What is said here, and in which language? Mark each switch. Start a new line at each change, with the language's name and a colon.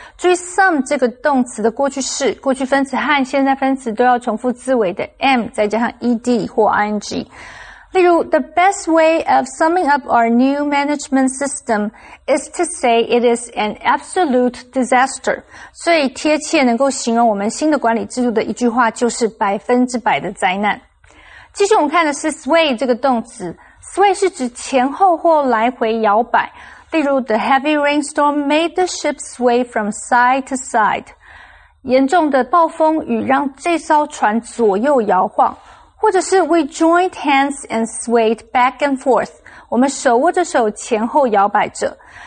Chinese: 注意 sum 这个动词的过去式、过去分词和现在分词都要重复字尾的 m 再加上 ed 或 ing。例如
English: the best way of summing up our new management system is to say it is an absolute disaster.
Chinese: 所以贴切能够形容我们新的管理制度的一句话就是百分之百的灾难。继续我们看的是 sway 这个动词。Sway 是指前后或来回摇摆。例如
English: the heavy rainstorm made the ship sway from side to side.
Chinese: 严重的暴风雨让这艘船左右摇晃。或者是
English: we joined hands and swayed back and forth.
Chinese: 我们手握着手前后摇摆着。